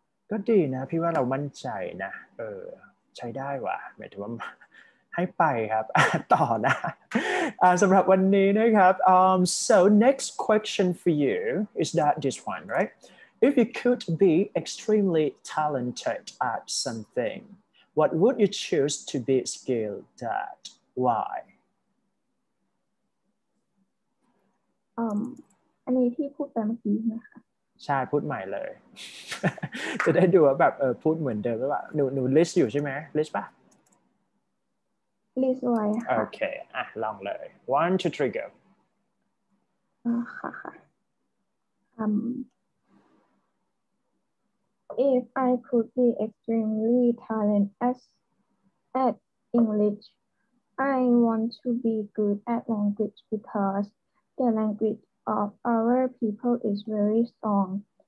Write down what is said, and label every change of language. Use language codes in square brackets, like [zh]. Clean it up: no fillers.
[th] ก็ดีนะพี่ว่าเรามั่นใจนะใช้ได้ว่ะหมายถึงว่าให้ไปครับต่อนะสำหรับวันนี้นะครับ [en] so next question for you is that this one, right? If you could be extremely talented at something, what would you choose to be skilled at? Why? [th] อันนี้ที่พูดไปเมื่อกี้นะคะ ใช่พูดใหม่เลย จะได้ดูว่าแบบพูดเหมือนเดิมหรือเปล่าหนูลิสต์อยู่ใช่ไหมลิสต์ป่ะ ลิสต์ไว้โอเคอ่ะลองเลย [en] one two three go อ่ะค่ะ if I could be extremely talented at English I want to be good at language because the languageOf our people is very strong.